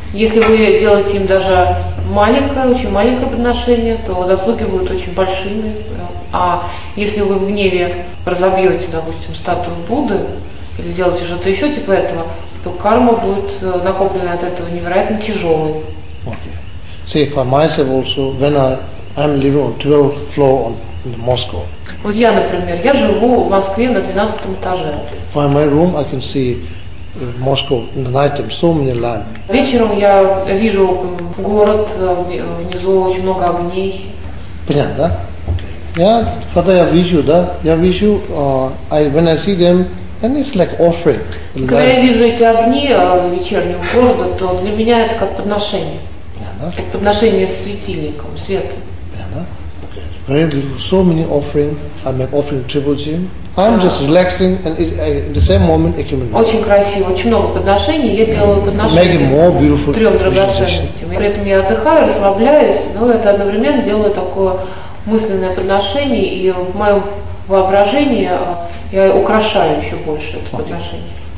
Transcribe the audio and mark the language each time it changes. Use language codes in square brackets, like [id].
[ru] Если вы делаете им даже маленькое, очень маленькое подношение, то заслуги будут очень большими. А если вы в гневе разобьете, допустим, статую Будды или сделаете что-то еще типа этого, то карма будет накоплена от этого невероятно тяжелой. [en] See, for myself also, when I'm living on 12th floor in Moscow. [ru] Вот я, например, я живу в Москве на 12 этаже. [en] From my room I can see Moscow in the night time, so many lights. [ru] Вечером я вижу город, внизу очень много огней. Понятно, да? [en] Okay. Yeah, [ru] когда я вижу, да, я вижу, [en] when I see them, and it's like offering. [ru] Когда я вижу эти огни вечернего города, то для меня это как подношение. Как подношение с светильником, светом. [en] So many offering, I make offering triple gym. I'm just relaxing and in the same moment accumulating. [ru] Очень красиво, очень много подношений. Я делаю подношение трем драгоценностям. При этом я отдыхаю, расслабляюсь, но это одновременно делаю такое мысленное подношение, и в моем воображении я украшаю еще больше это подношение.